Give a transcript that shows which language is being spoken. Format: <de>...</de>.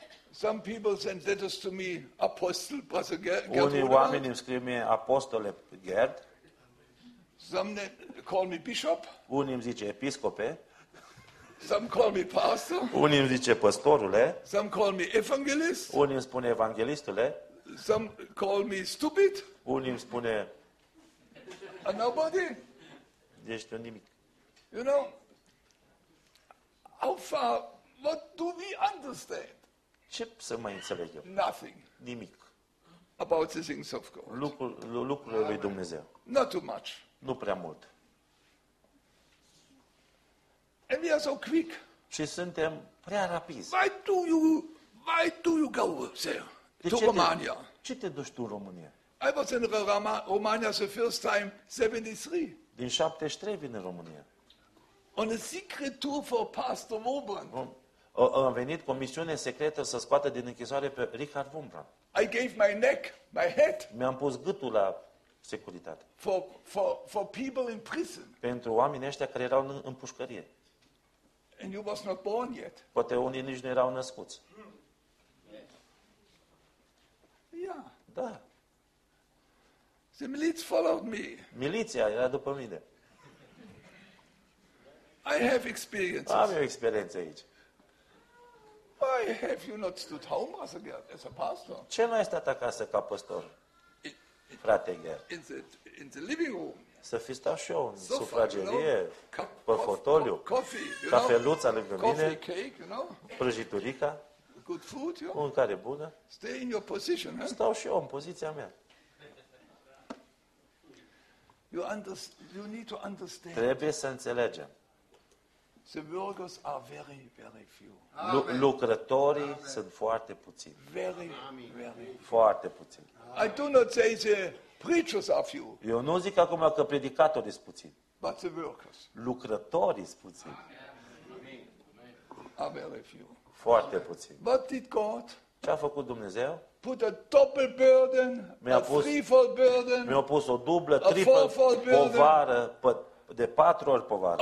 <en>Some people send letters to me, Apostle Brother Gerd.</en> <ro>Unii oameni îmi scriu mie, Apostole Gerd.</ro> <en>Some call me bishop.</en> <ro>Unii îmi zice episcope.</ro> <en>Some call me pastor.</en> <ro>Unii îmi zice păstorule.</ro> <en>Some call me evangelist.</en> <ro>Unii îmi spune evanghelistule.</ro> <en>Some call me stupid.</en> <ro>Unii îmi spune</ro> <en>a nobody.</en> <ro>Ești un nimic.</ro> <en>You know how far, what do we understand?</en> <ro>Ce să mai înțeleg eu?</ro> <en>Nothing.</en> <ro>Nimic.</ro> <en>About the things of God.</en> <ro>Lucrurile lui Dumnezeu.</ro> <en>Not too much.</en> <ro>Nu prea mult.</ro> <en>And we are so quick.</en> <ro>Și suntem prea rapizi.</ro> <en>Why do you go there? To Romania.</en> <ro>Ce te duci tu în România?</ro> <en>I was in Romania the first time 73.</en> <ro>Din 73 vin în România.</ro> <en>On a secret tour for Pastor Wombrand.</en> <ro>Am venit cu o misiune secretă să scoată din închisoare pe Richard Wombrand.</ro> <en>I gave my neck, my head.</en> <ro>Mi-am pus gâtul la securitate.</ro> <en>For people in prison.</en> <ro>Pentru oamenii ăștia care erau în pușcărie.</ro> <en>And you was not born yet.</en> <ro>Poate unii nici nu erau născuți. Da.</ro> <en>The milits followed me.</en> <ro>Miliția era după mine.</ro> <en>I have experience.</en> <ro>Am eu experiență aici.</ro> <en>Why have you not stood home as a pastor?</en> <ro>Ce n-ai stat acasă ca pastor? Frate Gerd.</ro> <en>In the living room.</en> <ro>Să fi stat și eu în sufragerie, pe fotoliu,</ro> <en>coffee,</en> <ro>cafeluța lângă mine,</ro> <en>coffee, cake, you know?</en> <ro>Prăjiturica.</ro> <en>Good food, yeah.</en> <ro>Mâncare bună.</ro> <en>Stay in your position, huh?</en> <ro>Stau și eu în poziția mea.</ro> <en>You need to understand.</en> <ro>Trebuie să înțelegem.</ro> <en>The workers are very, very few.</en> <ro>Lucrătorii sunt foarte puțini.</ro> <en>Very, very few.</en> <ro>Foarte puțini.</ro> <en>I do not say the preachers are few.</en> <ro>Eu nu zic acum că predicatorii sunt puțini.</ro> <en>But the workers.</en> <ro>Lucrătorii sunt puțini.</ro> <en>Are very few.</en> <ro>Foarte puțin.</ro> <en>What did God?</en> <ro>Ce a făcut Dumnezeu?</ro> <en>Put a double burden, a threefold burden.</en> <ro>Mi-a pus o dublă, triplă povară de patru ori povară.</ro>